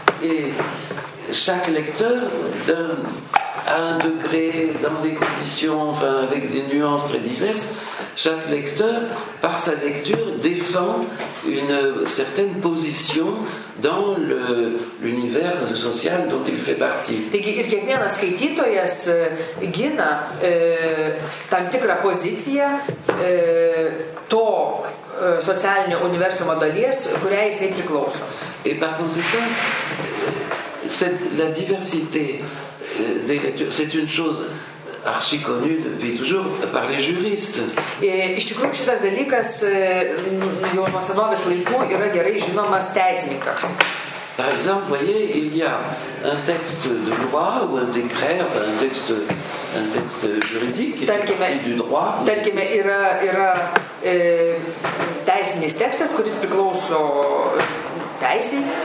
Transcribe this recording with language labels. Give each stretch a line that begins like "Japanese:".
French: Et chaque lecteur donne à un degré, dans des conditions, enfin avec des nuances très diverses, chaque lecteur, par sa lecture, défend une certaine position dans l'univers social dont il fait partie.
Lithuanian: Taigi, ir kiekvienas skaitytojas gina tam tikrą poziciją to socialinio universumo dalies, kuriai jisai priklauso.
French: Et par conséquent, cette, la diversité des lectures, c'est une chose archi connue depuis toujours par les juristes.
Lithuanian: Iš tikrųjų, šitas dalykas jau nuo senovės laikų yra gerai žinomas teisininkams.
French: Par exemple, voyez, il y a un texte de loi ou un décret, enfin un texte juridique qui fait partie du droit.
Lithuanian: Tarkime, yra teisinis tekstas, kuris priklauso teisei.